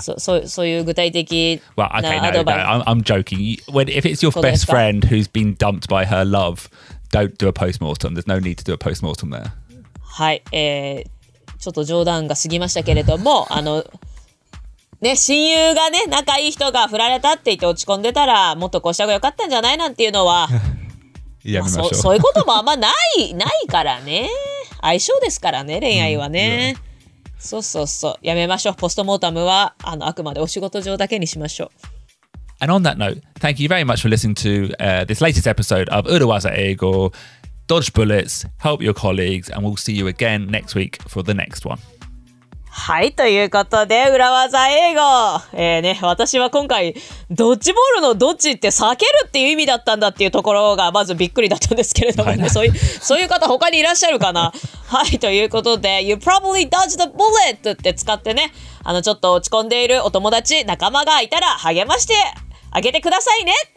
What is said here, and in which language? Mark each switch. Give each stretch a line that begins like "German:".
Japanese: そういう具体的なアドバイス。
English: Well, okay, no, I'm joking. If it's your best friend who's been dumped by her love, don't do a post-mortem. There's no need to do a post-mortem there.
Japanese: はい、ちょっと冗談が過ぎましたけれども、あの、ね、親友がね、仲いい人が振られたって言って落ち込んでたら、もっとこうした方がよかったんじゃないなんていうのは、やめましょう。そういうこともあんまない、ないからね。相性ですからね、恋愛はね。そうそうそう、やめましょう。ポストモータムは、あの、あくまでお仕事上だけにしましょう。
English: And on that note, thank you very much for listening to, this latest episode of Uruwaza Eigo. Dodge bullets, help your colleagues, and we'll see you again next week for the next one.
Japanese: はい、ということで、裏技英語。ね、私は今回、ドッジボールのドッジって避けるっていう意味だったんだっていうところが、まずびっくりだったんですけれども、ね、そういう方他にいらっしゃるかな。はい、ということで、
English: You probably dodge the bullet
Japanese: って使ってね、あの、ちょっと落ち込んでいるお友達、仲間がいたら励ましてあげてくださいね。